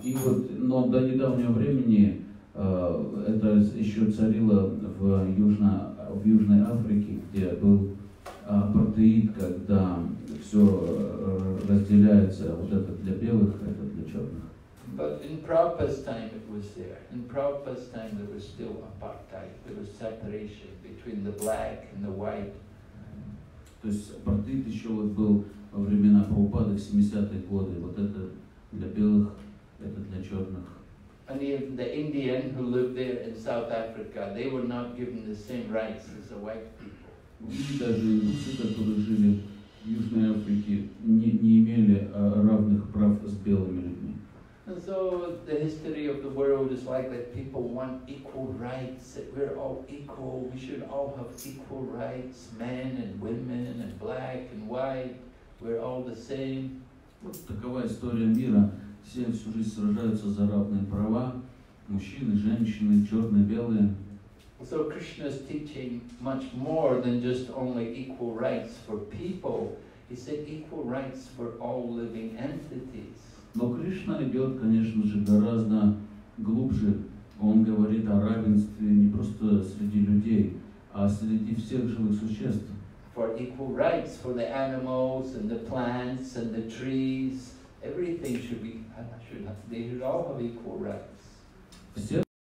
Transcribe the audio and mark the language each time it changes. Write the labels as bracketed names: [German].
[Russian] И вот, но до недавнего времени это еще царило в Южной Африке, где был апартеид, когда все разделяется, вот это для белых, это для черных. [English] But in Prabhupada's time it was there. In Prabhupada's time there was still apartheid, there was separation between the black and the white. [Russian] То есть апартеид еще вот был во времена Прабхупады, в 70-е годы. Вот это для белых, это для черных. [English] And even the Indian who lived there in South Africa, they were not given the same rights as the white people. [Russian] И даже индусы, которые жили в Южной Африке, не имели равных прав с белыми людьми. [English] And so the history of the world is like that. People want equal rights, that we're all equal, we should all have equal rights, men and women and black and white. We're all the same. [Russian] Вот такова история мира. Все всю жизнь сражаются за равные права. Мужчины, женщины, черные, белые. [English] So Krishna's teaching much more than just only equal rights for people. He said equal rights for all living entities. [Russian] Но Кришна идет, конечно же, гораздо глубже. Он говорит о равенстве не просто среди людей, а среди всех живых существ. [English] For equal rights for the animals and the plants and the trees, everything should be, they should all have equal rights.